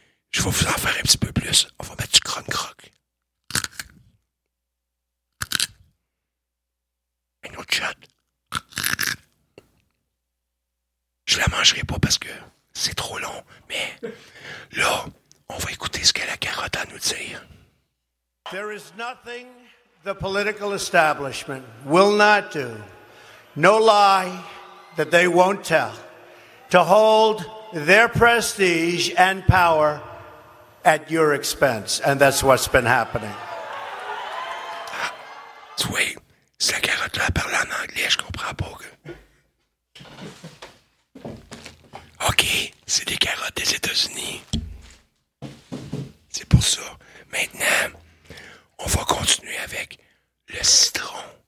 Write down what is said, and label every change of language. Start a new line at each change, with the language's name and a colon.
French: Je vais vous en faire un petit peu plus. On va mettre du croc-croc. Un autre shot. Je la mangerai pas parce que c'est trop long, mais là, on va écouter ce que la carotte a à nous dire.
English: There is nothing the political establishment will not do, no lie that they won't tell, to hold their prestige and power at your expense. And that's what's been happening.
French: Oui, c'est la carotte là, parle en anglais, je comprends pas. Que... OK, c'est des carottes des États-Unis. C'est pour ça. Maintenant, on va continuer avec le citron.